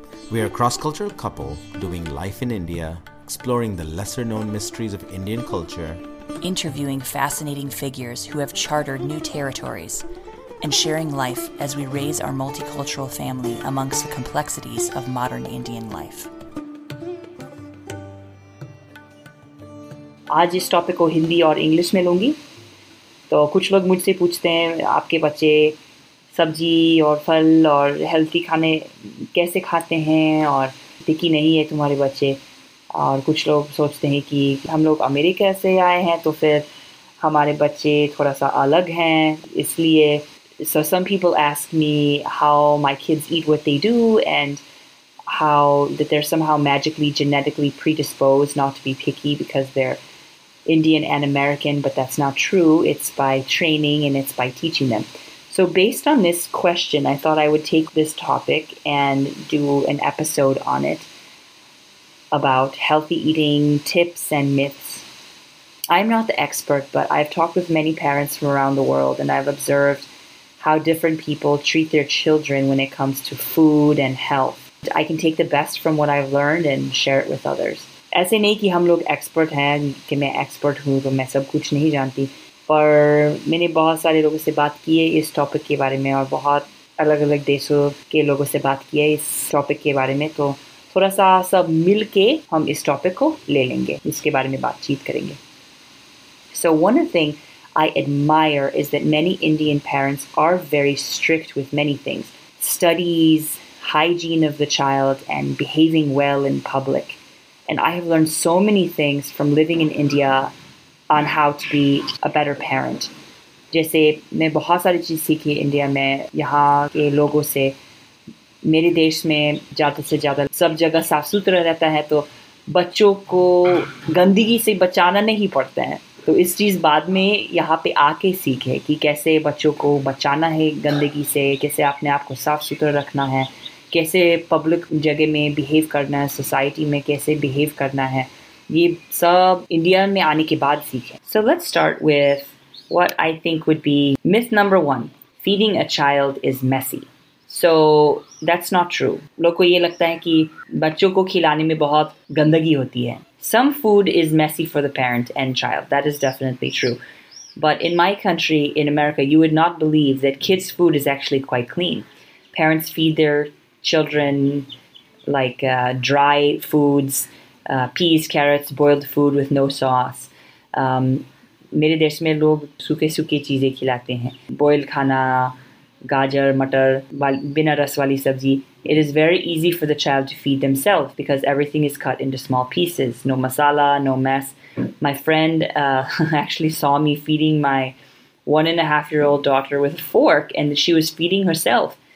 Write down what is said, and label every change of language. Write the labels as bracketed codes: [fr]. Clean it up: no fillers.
[en] We are a cross-cultural couple doing life in India, exploring the lesser-known mysteries of Indian culture, interviewing fascinating figures who have chartered new territories, and sharing life as we raise our multicultural family amongst the complexities of modern Indian life. [hi] आज इस topic को हिंदी और English में लूँगी तो कुछ लोग मुझसे पूछते हैं आपके बच्चे सब्जी और फल और हेल्थी खाने कैसे खाते हैं और टिकी नहीं है तुम्हारे बच्चे और कुछ लोग सोचते हैं कि हम लोग अमेरिका से आए हैं तो फिर हमारे बच्चे थोड़ा सा अलग हैं इसलिए [en] So some people ask me how my kids eat what they do and how that they're somehow magically genetically predisposed not to be picky because they're Indian and American, but that's not true. It's by training and it's by teaching them. So based on this question, I thought I would take this topic and do an episode on it about healthy eating tips and myths. I'm not the expert, but I've talked with many parents from around the world and I've observed how different people treat their children when it comes to food and health. I can take the best from what I've learned and share it with others. [hi] ऐसे नहीं कि हम लोग expert हैं कि मैं expert हूँ तो मैं सब कुछ नहीं जानती पर मैंने बहुत सारे लोगों से बात की है इस टॉपिक के बारे में और बहुत अलग अलग देशों के लोगों से बात की है इस टॉपिक के बारे में तो थोड़ा सा सब मिल के हम इस टॉपिक को ले लेंगे इसके बारे में बातचीत करेंगे [en] So one thing I admire is that many Indian parents are very strict with many things, studies, hygiene of the child, and behaving well in public. [hi] And I have learned so many things from living in India on how to be a better parent. जैसे मैं बहुत सारी चीज़ सीखी India में यहाँ के लोगों से मेरे देश में ज़्यादा से ज़्यादा सब जगह साफ सुथरा रहता है तो बच्चों को गंदगी से बचाना नहीं पड़ता है तो इस चीज़ बाद में यहाँ पे आके सीखे कि कैसे बच्चों को बचाना है गंदगी से कैसे अपने आप को साफ सुथरा रखना है कैसे पब्लिक जगह में बिहेव करना है सोसाइटी में कैसे बिहेव करना है ये सब इंडिया में आने के बाद सीखे [en] so let's start with what I think would be myth number one feeding a child is messy so that's not true [hi] लोग को ये लगता है कि बच्चों को खिलाने में बहुत गंदगी होती है [en] Some food is messy for the parent and child. That is definitely true. But in my country, in America, you would not believe that kids' food is actually quite clean. Parents feed their children like dry foods, peas, carrots, boiled food with no sauce. [hi] मेरे देश में लोग सूखे सूखे चीजें खिलाते हैं. Boiled khana, gajar, matar, bina ras wali sabzi. [en] It is very easy for the child to feed themselves because everything is cut into small pieces. No masala, no mess. My friend actually saw me feeding my 1.5-year-old daughter with a fork and she was feeding herself.